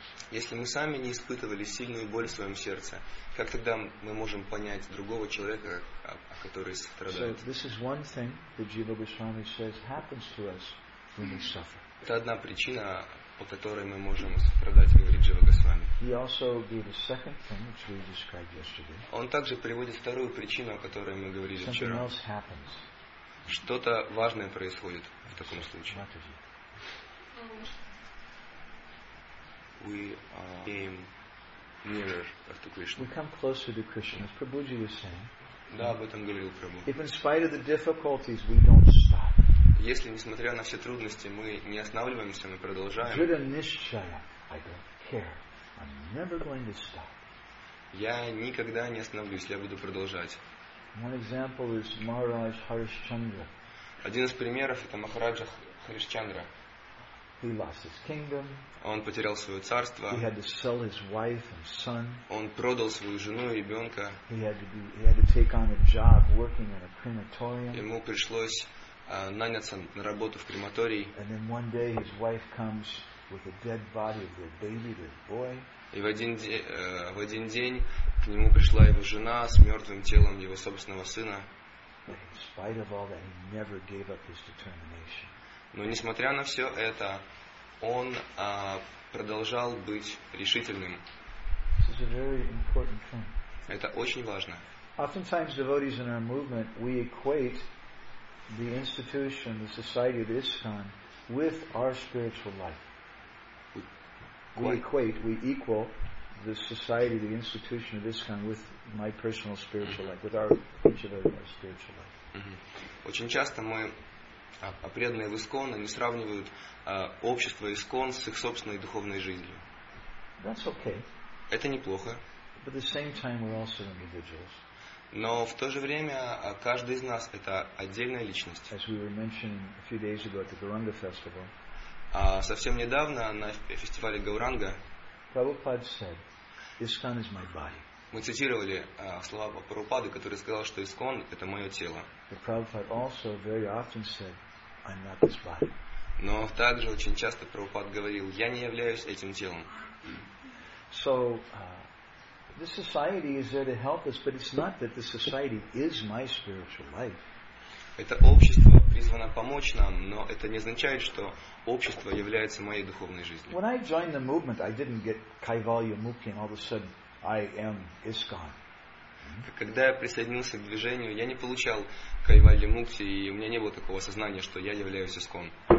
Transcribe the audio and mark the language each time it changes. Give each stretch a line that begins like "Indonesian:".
Russian: Если мы сами не испытывали сильную боль в своем сердце, как тогда мы можем понять другого человека, который страдает?
English: So this is one thing that Jiva Goswami says happens to us when we suffer.
Russian: Это одна причина, по которой мы можем страдать, говорит Джива Госвами.
English: He also gave a second thing, which we described yesterday.
Russian: Он также приводит вторую причину, о которой мы говорили
English: Something
Russian: вчера.
English: Something else happens.
Russian: Что-то важное происходит в таком случае.
English: We came nearer to Krishna. We come closer to Krishna, as Prabhuji was saying.
Russian: Да, об этом говорил Прабху.
English: If in spite of the difficulties, we don't stop.
Russian: Если несмотря на все трудности мы не останавливаемся, мы продолжаем.
English: Dhṛta niṣcaya, I don't care. I'm never going to stop.
Russian: Я никогда не остановлюсь, я буду продолжать.
English: One example is Maharaj Harishchandra.
Russian: Один из примеров это Махараджа Харишчандра.
English: He lost his kingdom.
Russian: Он потерял свое царство.
English: He had to sell his wife and son.
Russian: Он продал свою жену и ребенка.
English: He had to take on a job working in a crematorium.
Russian: Ему пришлось наняться на работу в крематории.
English: And then one day his wife comes with a dead body of their baby, their boy.
Russian: И в один день к нему пришла его жена с мертвым телом его собственного сына.
English: But in spite of all that, he never gave up his determination.
Russian: Но несмотря на все это, он продолжал быть решительным.
English: This is a very important thing.
Russian: Это очень важно.
English: Oftentimes devotees in our movement, we equate the institution, the society of ISKCON, with our spiritual life. We equal the society, the institution of ISKCON with my personal spiritual life, with our each of our spiritual life.
Russian: Очень часто мы преданные в ИСККОН, они сравнивают общество ИСККОН с их собственной духовной жизнью.
English: That's okay.
Russian: Это неплохо.
English: But at the same time, we're also individuals.
Russian: Но в то же время каждый из нас это отдельная личность.
English: As we were mentioning a few days ago at the Gauranga Festival.
Russian: Совсем недавно на фестивале Гауранга.
English: Prabhupada said, "ISKCON is my body."
Russian: Мы цитировали слова Прабхупады, который сказал, что ИСККОН – это мое тело.
English: Prabhupada also very often said, "I'm not this body."
Russian: Но также очень часто Прабхупада говорил, "Я не являюсь этим телом."
English: So, the society is there to help us, but it's not that the society is my spiritual life.
Russian: Это общество призвано помочь нам, но это не означает, что общество является моей духовной жизнью.
English: When I joined the movement, I didn't get Kaivalya Mukti, and all of a sudden, I am ISKCON.
Russian: Когда я присоединился к движению, я не получал Кайвалья Мукти, и у меня не было такого сознания, что я являюсь ИСККОН.